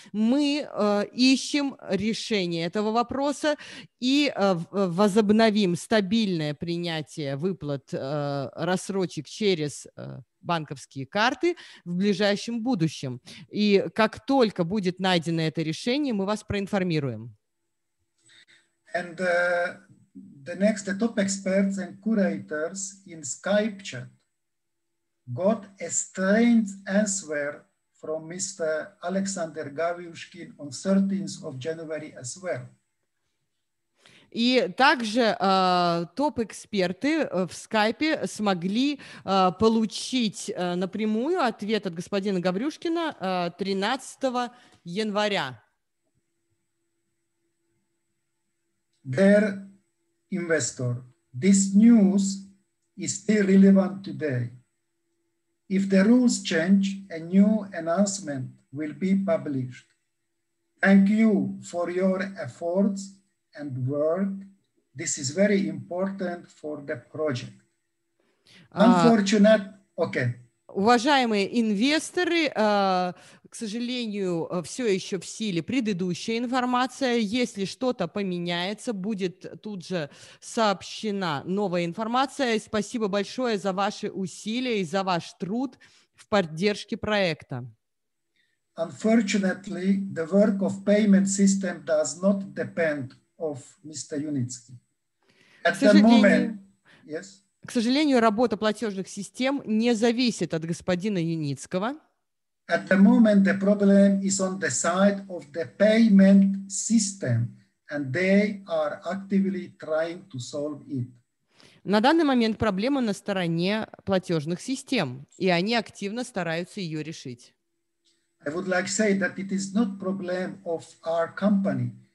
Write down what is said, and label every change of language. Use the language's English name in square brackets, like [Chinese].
[Russian] Мы ищем решение этого вопроса и возобновим стабильное принятие выплат рассрочек через банковские карты в ближайшем будущем. И как только будет найдено это решение, мы вас проинформируем. [English] And the next, the top experts and curators in Skype chat got a strange answer from Mr. Alexander Gavyushkin on 13th of January as well. [Russian] И также топ-эксперты в Скайпе смогли получить напрямую ответ от господина Гаврюшкина 13 января. [English] Dear investor, this news is still relevant today. If the rules change, a new announcement will be published. Thank you for your efforts and work. This is very important for the project. Okay. [Russian] Уважаемые инвесторы, к сожалению, все еще в силе предыдущая информация. Если что-то поменяется, будет тут же сообщена новая информация. Спасибо большое за ваши усилия и за ваш труд в поддержке проекта. [English] Unfortunately, the work of payment system does not depend of Mr. Yunitsky. At the moment, yes. [Russian] К сожалению, работа платежных систем не зависит от господина Юницкого. [English] At the moment, the problem is on the side of the payment system, and they are actively trying to solve it. [Russian] На данный момент проблема на стороне платежных систем, и они активно стараются ее решить. [English] I would like to say that it is not problem of our company.